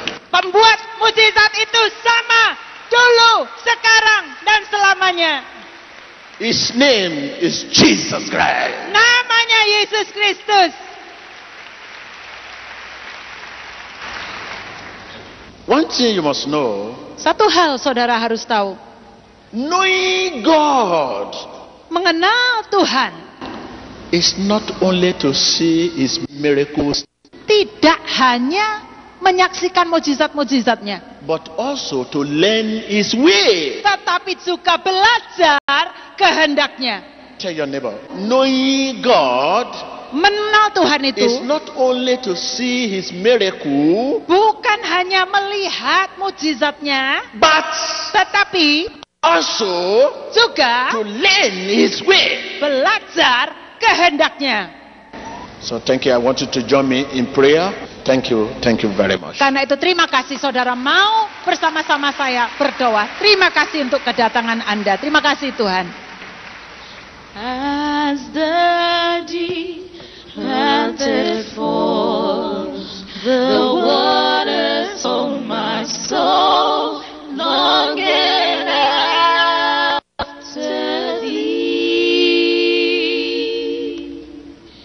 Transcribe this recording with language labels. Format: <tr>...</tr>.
<id>Pembuat mujizat itu sama dulu, sekarang, dan selamanya.</id> <en>His name is Jesus Christ.</en> <id>Namanya Yesus Kristus.</id> <en>One thing you must know.</en> <id>Satu hal saudara harus tahu.</id> <en>Knowing God,</en> <id>mengenal Tuhan,</id> <en>is not only to see His miracles,</en> <id>tidak hanya menyaksikan mujizat-mujizatnya,</id> <en>but also to learn His way,</en> <id>tetapi juga belajar kehendaknya.</id> <en>Tell your neighbor, knowing God,</en> <id>mengenal Tuhan itu,</id> <en>is not only to see His miracle,</en> <id>bukan hanya melihat mujizatnya,</id> <en>but</en> <id>tetapi</id> <en>also</en> <id>juga</id> <en>to learn His way,</en> <id>belajar kehendaknya.</id> <en>So thank you. I want you to join me in prayer. Thank you very much.</en> <id>Karena itu terima kasih saudara mau bersama-sama saya berdoa. Terima kasih untuk kedatangan Anda. Terima kasih Tuhan.</id> <en>As the deep melted falls, the waters of my soul longing after thee.</en>